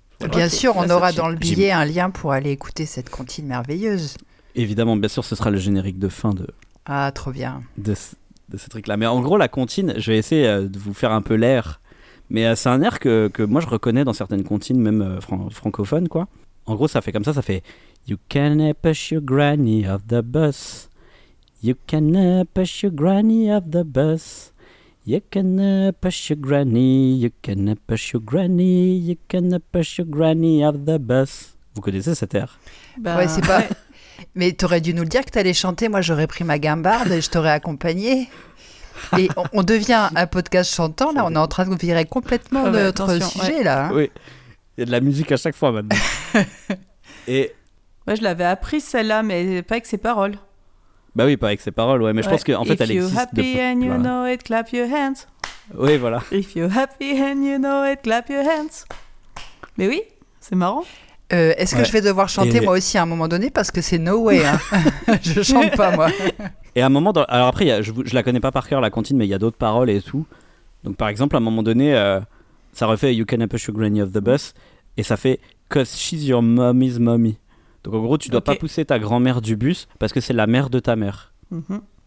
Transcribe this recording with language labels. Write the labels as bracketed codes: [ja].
[fr] Bien sûr, on aura dans le billet un lien pour aller écouter cette comptine merveilleuse. Évidemment, bien sûr, ce sera le générique de fin de... Ah, trop bien. De ce truc-là. Mais en gros, la comptine, je vais essayer de vous faire un peu l'air. Mais c'est un air que moi, je reconnais dans certaines comptines, même francophones, quoi. En gros, ça fait comme ça, ça fait... [en] You can't push your granny off the bus. You can't push your granny off the bus. You can push your granny, you can push your granny, you can push your granny off the bus. [fr] Vous connaissez cette air ? Ben... Ouais, c'est pas... Mais t'aurais dû nous le dire que t'allais chanter, moi j'aurais pris ma guimbarde et je t'aurais accompagné. Et on devient un podcast chantant, là, on est en train de virer complètement notre sujet, là. Hein. Oui, il y a de la musique à chaque fois, maintenant. Et... Moi, je l'avais appris, celle-là, mais pas avec ses paroles. Bah oui, pas avec ses paroles, ouais, mais ouais. Je pense qu'en fait, [en] if [fr] elle existe. [en] If you're happy and you know it, clap your hands. [fr] Oui, voilà. [en] If you're happy and you know it, clap your hands. [fr] Mais oui, c'est marrant. Est-ce que je vais devoir chanter moi aussi à un moment donné ? Parce que c'est [en] no way. [fr] Hein. Je chante pas, moi. Et à un moment. Alors après, je la connais pas par cœur, la comptine, mais il y a d'autres paroles et tout. Donc par exemple, à un moment donné, ça refait [en] You can't push your granny off the bus. [fr] Et ça fait [en] Cause she's your mommy's mommy. [fr] Donc en gros, tu dois pas pousser ta grand-mère du bus parce que c'est la mère de ta mère. Mm-hmm.